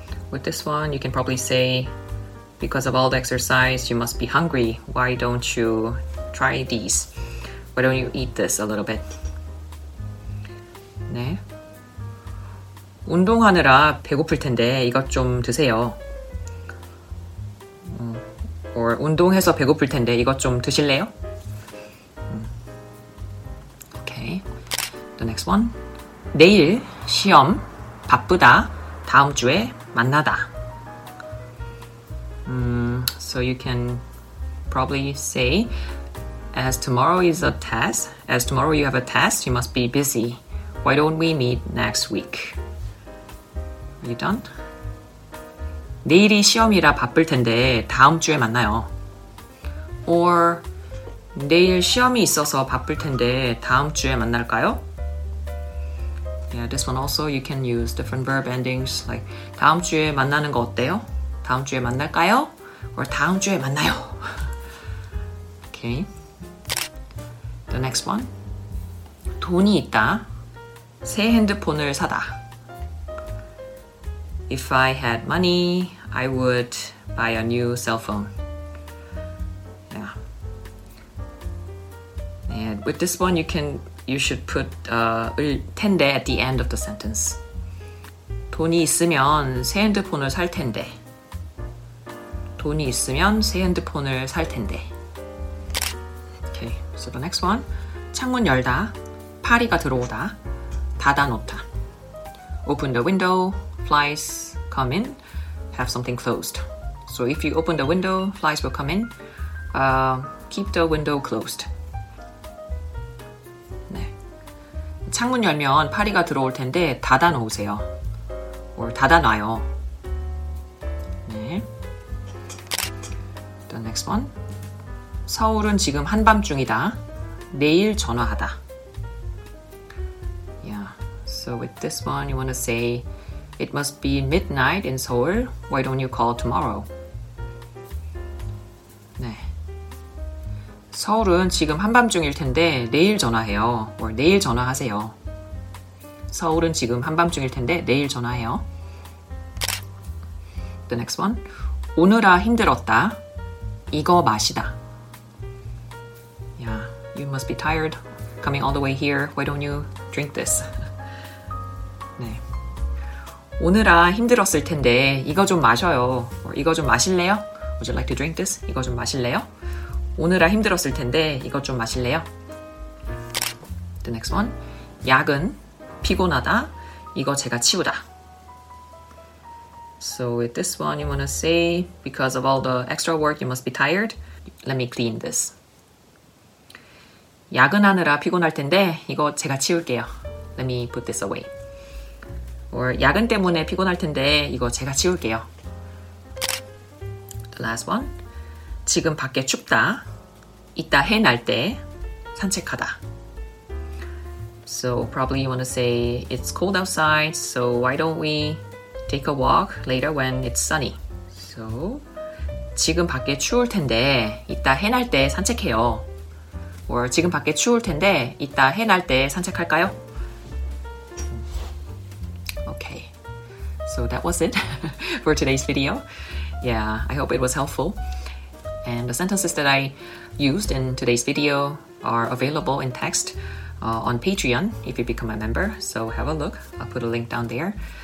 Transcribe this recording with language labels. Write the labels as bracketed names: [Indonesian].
[English] With this one, you can probably say, because of all the exercise, you must be hungry. Why don't you try these? Why don't you eat this a little bit? [Korean] 네. 운동하느라 배고플 텐데 이것 좀 드세요. Or 운동해서 배고플 텐데 이것 좀 드실래요? [English] Okay. The next one. [Korean] 내일 시험 바쁘다 다음 주에 만나다. [English] So you can probably say, as tomorrow is a test, as tomorrow you have a test, you must be busy. Why don't we meet next week? Are you done? [Korean] 내일이 시험이라 바쁠 텐데 다음 주에 만나요. Or 내일 시험이 있어서 바쁠 텐데 다음 주에 만날까요? [English] Yeah, this one also you can use different verb endings like [Korean] 다음 주에 만나는 거 어때요? 다음 주에 만날까요? Or 다음 주에 만나요. [English] Okay. The next one. [Korean] 돈이 있다. 새 핸드폰을 사다. [English] If I had money, I would buy a new cell phone. Yeah. And with this one you should put 텐데 at the end of the sentence. [Korean] 돈이 있으면 새 핸드폰을 살 텐데. 돈이 있으면 새 핸드폰을 살 텐데. [English] Okay. So the next one. [Korean] 창문 열다. 파리가 들어오다. 닫아 놓다. [English] Open the window, flies come in, have something closed. So if you open the window, flies will come in. Keep the window closed. [Korean] 네. 창문 열면 파리가 들어올 텐데 닫아 놓으세요. Or 닫아 놔요. 네. [English] The next one. [Korean] 서울은 지금 한밤중이다. 내일 전화하다. [English] Yeah. So with this one, you want to say, it must be midnight in Seoul. Why don't you call tomorrow? [Korean] 네. 서울은 지금 한밤중일 텐데 내일 전화해요. Or 내일 전화하세요. 서울은 지금 한밤중일 텐데 내일 전화해요. [English] The next one. [Korean] 오느라 힘들었다. 이거 마시다. [English] Yeah, you must be tired coming all the way here. Why don't you drink this? 네. [Korean] 오느라 힘들었을 텐데 이거 좀 마셔요. Or 이거 좀 마실래요? [English] Would you like to drink this? [Korean] 이거 좀 마실래요? 오느라 힘들었을 텐데 이거 좀 마실래요? [English] The next one. [Korean] 약은 피곤하다. 이거 제가 치우다. [English] So with this one, you want to say, because of all the extra work, you must be tired. Let me clean this. [Korean] 야근하느라 피곤할 텐데 이거 제가 치울게요. [English] Let me put this away. [Korean] Or 야근 때문에 피곤할 텐데 이거 제가 치울게요. [English] The last one. [Korean] 지금 밖에 춥다. 이따 해 날 때 산책하다. [English] So probably you want to say it's cold outside, so why don't we take a walk later when it's sunny. [Korean] So, 지금 밖에 추울 텐데 이따 해날 때 산책해요. Or 지금 밖에 추울 텐데 이따 해날 때 산책할까요? [English] Okay, so that was it for today's video. Yeah, I hope it was helpful. And the sentences that I used in today's video are available in text on Patreon if you become a member. So have a look. I'll put a link down there.